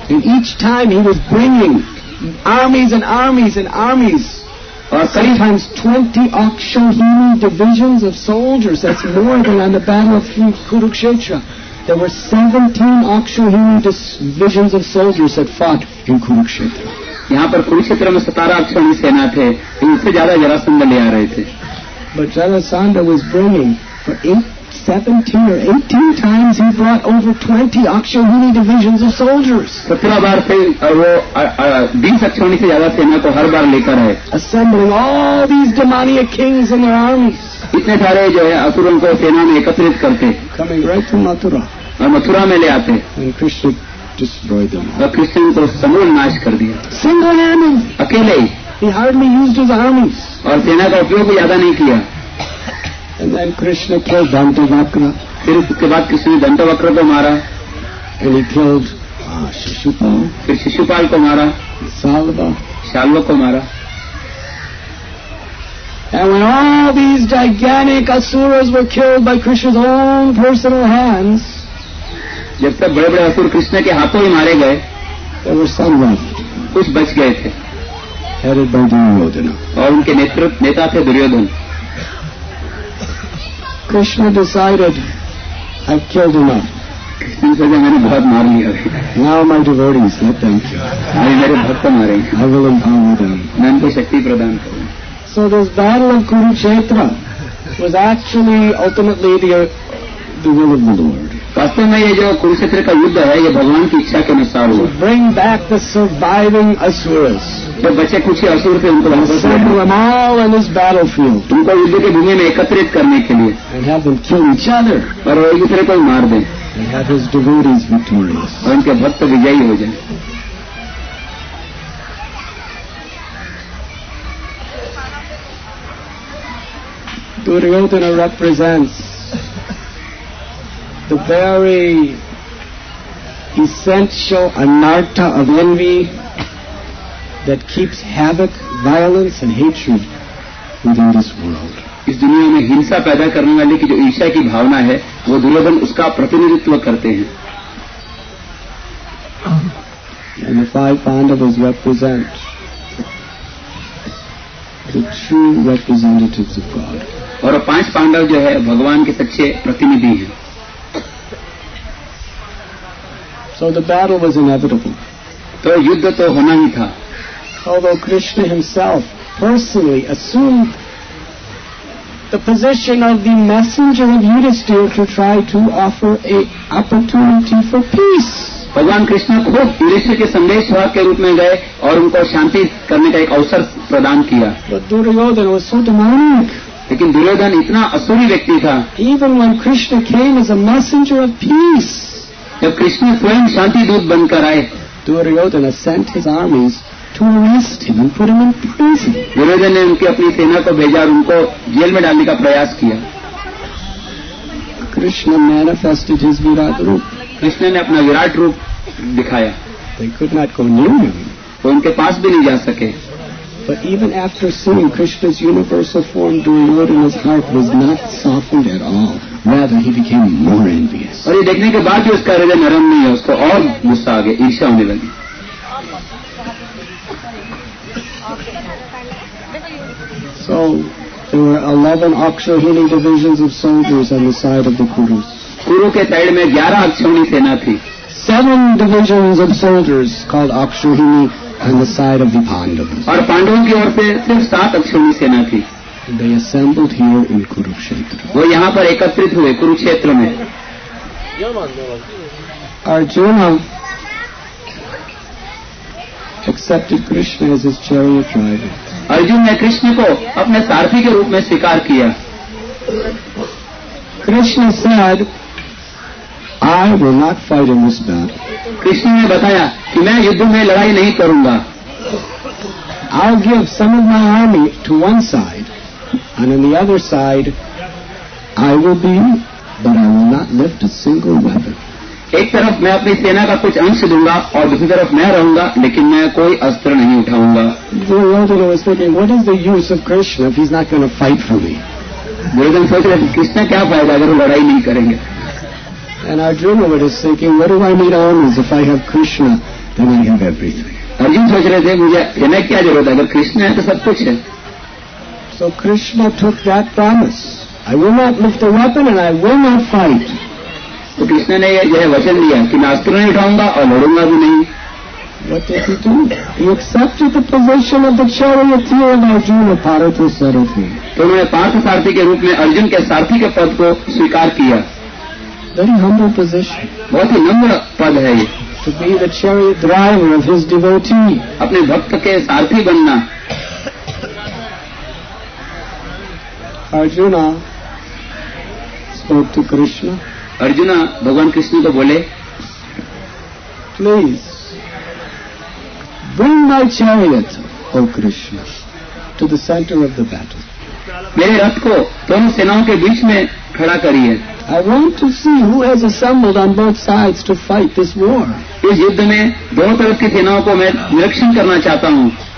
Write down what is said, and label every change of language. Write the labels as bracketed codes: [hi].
[en] And each time he was bringing armies and armies and armies. [hi] Aur [en] sometimes 20 akshahini divisions of soldiers. That's more than on the battle of Kurukshetra. There were 17 Akshauhini divisions of soldiers that fought in Kurukshetra. [hi] यहाँ पर कुरुक्षेत्र में 17 अक्षौहिणी सेना थे, इससे ज्यादा जरासंध ले आ रहे थे. [en] But Jarasandha was bringing for 17 or 18 times he brought over 20 Akshauhini divisions of soldiers. [hi] 17 बार से वो 20 अक्षौहिणी से ज्यादा सेना को हर बार लेकर आए. [en] Assembling all these demoniac kings and their armies. [hi] इतने सारे जो है असुरों को सेना में एकत्रित करते. [en] Coming right to Mathura. [hi] और मथुरा में ले आते. [en] And Krishna destroyed them. [hi] और कृष्ण को समूल नाश कर दिया. [en] Single-handed. [hi] अकेले. [en] He hardly used his armies. [hi] और सेना का उपयोग भी ज्यादा नहीं किया. [en] And then Krishna killed Dantavakra. [hi] फिर उसके बाद कृष्ण ने दंतवक्र को मारा. [en] And he killed Shishupal. [hi] फिर शिशुपाल को मारा. [en] Salva. [hi] शाल्व को मारा. [en] And when all these gigantic asuras were killed by Krishna's own personal hands, [hi] जब तक बड़े बड़े असुर कृष्ण के हाथों ही मारे गए, [en] there were some left. [hi] कुछ बच गए थे. [en] Headed by Duryodhana. [hi] और उनके नेतृत्व नेता थे Duryodhan. [en] Krishna decided, I've killed enough. [hi] Krishna से मैंने बहुत मार लिया. [en] Now my devotees, let them kill. [hi] अभी मेरे भक्त मारे. [en] I will empower them. [hi] मैं उनको शक्ति प्रदान करूं. [en] So this battle of Kurukshetra was actually ultimately the will of the Lord. [hi] वास्तव में ये जो कुरुक्षेत्र का युद्ध है ये भगवान की इच्छा के अनुसार हुआ. [en] Bring back the surviving asuras. [hi] जो बचे कुछ असुर थे उनको वापस battlefield. तुमको युद्ध की भूमि में एकत्रित करने के लिए. [en] And have them kill each other. [hi] और एक दूसरे को मार दें. [en] And have his devotees victorious. [hi] और उनके भक्त विजयी हो जाएं. [en] Duryodhana represents the very essential anartha of envy that keeps havoc, violence, and hatred within this world. [hi] इस दुनिया में हिंसा पैदा करने वाली की जो ईर्ष्या की भावना है वो दुर्योधन उसका प्रतिनिधित्व करते हैं. [en] And the five Pandavas represent the true representatives of God. [hi] और पांच पांडव जो है भगवान के सच्चे प्रतिनिधि हैं. [en] So the battle was inevitable. [hi] तो युद्ध तो होना ही था. [en] Although Krishna himself personally assumed the position of the messenger of Yudhisthira to try to offer a opportunity for peace. [hi] भगवान कृष्ण खुद युधिष्ठिर के संदेशवाहक के रूप में गए और उनको शांति करने का एक अवसर प्रदान किया. [en] But Duryodhan was so demonic. [hi] लेकिन दुर्योधन इतना असुरी व्यक्ति था. [en] Even when Krishna came as a messenger of peace. [hi] जब कृष्ण स्वयं शांति दूत बनकर आए, [en] Duryodhana sent his armies to arrest him and put him in prison. [hi] Duryodhan ने उनकी अपनी सेना को भेजा और उनको जेल में डालने का प्रयास किया. [en] Krishna manifested his virat रूप. [hi] कृष्ण ने अपना विराट रूप दिखाया. [en] They could not go near him. [hi] वो उनके पास भी नहीं जा सके. [en] But even after seeing Krishna's universal form, Duryodhana's heart was not softened at all. Rather, he became more envious. [hi] और ये देखने के बाद भी उसका हृदय नरम नहीं है, उसको और गुस्सा आ गया, ईर्ष्या होने लगी. [en] So there were 11 Akshauhini divisions of soldiers on the side of the Kurus. [hi] कुरु के साइड में 11 अक्षौहिणी सेना थी. [en] 7 divisions of soldiers called Akshauhini on the side of the Pandavas. [hi] और पांडवों की ओर से सिर्फ 7 अक्षौहिणी सेना थी. [en] They assembled here in Kurukshetra. [hi] वो यहाँ पर एकत्रित हुए कुरुक्षेत्र में. [en] Arjuna accepted Krishna as his chariot driver. [hi] Arjun ने कृष्ण को अपने सारथी के रूप में स्वीकार किया. [en] Krishna said, I will not fight in this battle. [hi] Krishna ने बताया कि मैं युद्ध में लड़ाई नहीं करूंगा. [en] I'll give some of my army to one side. And on the other side, I will be, but I will not lift a single weapon. [hi] एक तरफ मैं अपनी सेना का कुछ अंश दूंगा और दूसरी तरफ मैं रहूंगा, लेकिन मैं कोई अस्त्र नहीं उठाऊंगा. [en] Duryodhana was thinking, what is the use of Krishna if he's not going to fight for me? [hi] Duryodhana सोच रहा था, कृष्ण क्या फायदा अगर वो लड़ाई नहीं करेंगे? [en] And Arjuna was thinking, what do I need armies if I have Krishna? Then I have everything. [hi] Arjun सोच रहे थे, मुझे सेना की क्या जरूरत है? अगर कृष्ण है तो सब कुछ है. [en] So Krishna took that promise. I will not lift a weapon and I will not fight. [hi] तो कृष्ण ने यह वचन लिया कि मैं अस्त्र नहीं उठाऊंगा और लड़ूंगा भी नहीं. [en] What did he do? He accepted the position of the charioteer of Arjuna, Parthi Sarathi. [hi] तो उन्होंने पार्थ सारथी के रूप में अर्जुन के सारथी के पद को स्वीकार किया. [en] Very humble position. [hi] बहुत ही नम्र पद है ये. [en] To be the chariot driver of his devotee. [hi] अपने भक्त के सारथी बनना. [en] Arjuna spoke to Krishna. [hi] Arjuna, भगवान कृष्ण को बोले, [en] Please. Bring my chariot, O Krishna, to the center of the battle. [hi] मेरे रथ को तुम सेनाओं के बीच में खड़ा करिए. [en] I want to see who has assembled on both sides to fight this war. [hi] इस युद्ध में दोनों तरफ की सेनाओं को मैं निरीक्षण करना चाहता हूँ.